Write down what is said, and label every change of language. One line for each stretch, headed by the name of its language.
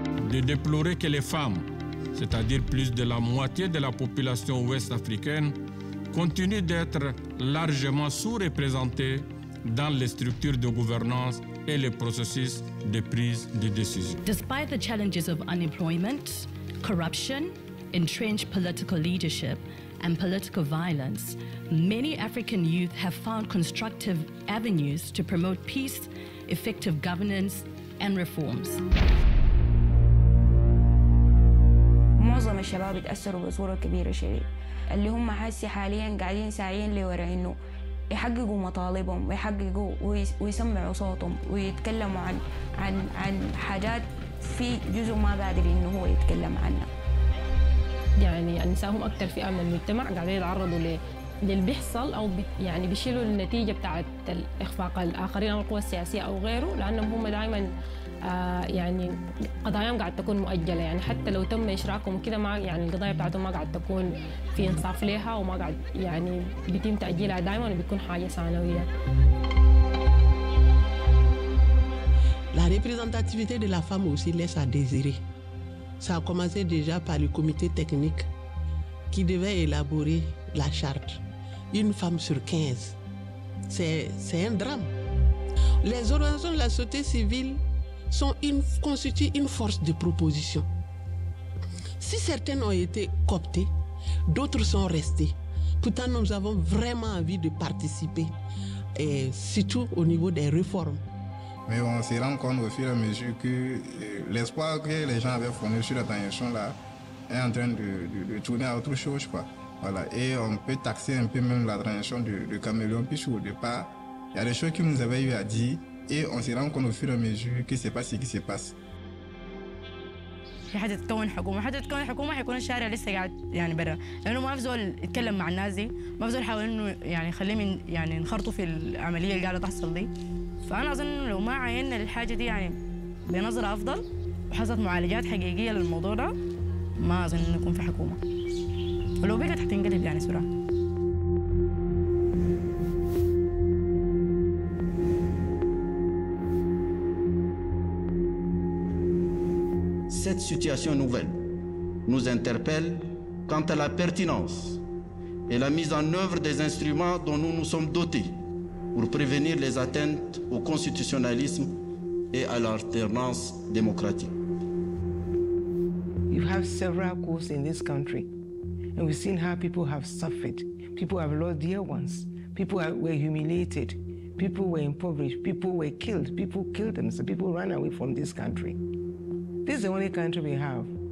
French: De déplorer que les femmes, c'est-à-dire plus de la moitié de la population ouest-africaine, continue d'être largement sous-représentée dans les structures de gouvernance et les processus de prise de décision.
English: Despite the challenges of unemployment, corruption, entrenched political leadership, and political violence, many African youth have found constructive avenues to promote peace, effective governance, and reforms.
Arabic: معظم الشباب يتأثروا بصورة كبيرة شديد اللي هم حاسي حاليا قاعدين ساعين لورا انه يحققوا مطالبهم ويحققوا ويسمعوا صوتهم ويتكلموا عن عن عن حاجات في جزء ما قادر انه هو يتكلم عنها. يعني النساء هم اكثر فئه من المجتمع قاعدين يتعرضوا للي بيحصل او يعني بيشيلوا النتيجه بتاعت الاخفاق الاخرين او القوى السياسيه او غيره لانهم هم دائما يعني قضاياهم قاعد تكون مؤجله يعني حتى لو تم اشراكهم كده ما يعني القضايا بتاعتهم ما قاعد تكون في انصاف ليها وما قاعد يعني بيتم تاجيلها دائما وبيكون حاجه ثانويه.
French: La représentativité de la femme aussi laisse à désirer. Ça a commencé déjà par le comité technique qui devait élaborer la charte. Une femme sur 15, c'est un drame. Les organisations de la société civile constituent une force de proposition. Si certaines ont été cooptées, d'autres sont restées. Pourtant, nous avons vraiment envie de participer, et surtout au niveau des réformes. Mais on se rend compte au fur et à mesure que l'espoir que les gens avaient fondé sur la tension là est en train de tourner à autre chose, quoi. Voilà. Et on peut taxer un peu même la transition du caméléon. Puisque au départ, il y a des choses qu'ils nous avaient eu à dire et on se rend compte au fur et à mesure que c'est pas ce qui se passe.
Arabic: في حد تكون حكومه حد تكون حكومه حيكون الشارع لسه قاعد يعني برا لانه ما في زول يتكلم مع الناس دي ما في زول حاول انه يعني يخليهم يعني ينخرطوا في العمليه اللي قاعده تحصل دي فانا اظن انه لو ما عينا الحاجه دي يعني بنظره افضل وحصلت معالجات حقيقيه للموضوع ده ما اظن انه يكون في حكومه ولو بقت حتنقلب يعني سرعه
French: Cette situation nouvelle nous interpelle quant à la pertinence et la mise en œuvre des instruments dont nous nous sommes dotés pour prévenir les atteintes au constitutionnalisme et à l'alternance démocratique.
English: You have several coups in this country, and we've seen how people have suffered. People have lost dear ones. People were humiliated. People were impoverished. People were killed. People killed themselves. People ran away from this country. This is the only country we have.